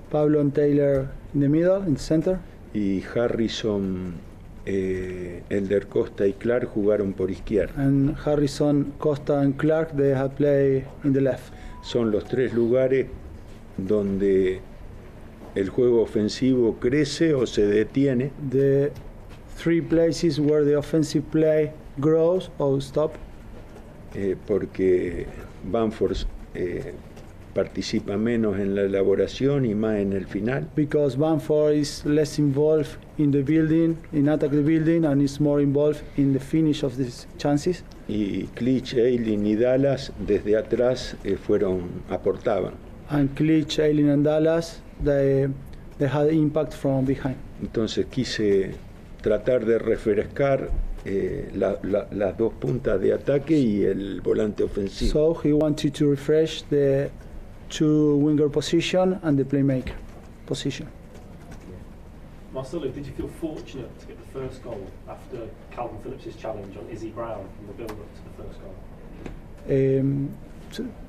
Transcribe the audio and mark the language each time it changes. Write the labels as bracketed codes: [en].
[en] Pablo and Taylor in the middle, in the center. [es] Y Harrison, Elder Costa y Clark jugaron por izquierda. [en] And Harrison, Costa and Clark, they have played in the left. [es] Son los tres lugares donde el juego ofensivo crece o se detiene. [en] The three places where the offensive play grows or stop. [es] Porque Bamford participa menos en la elaboración y más en el final. [en] Because Bamford is less involved in the building, in attack the building, and is more involved in the finish of these chances. [es] Y Klitsch, Eilin y Dallas desde atrás aportaban. [en] And Klitsch, Eilin and Dallas, they had impact from behind. [es] Entonces quise tratar de refrescar las dos puntas de ataque y el volante ofensivo. [en] So he wanted to refresh the two winger position and the playmaker position. Marcelo, did you feel fortunate to get the first goal after Calvin Phillips' challenge on Izzy Brown in the build-up to the first goal?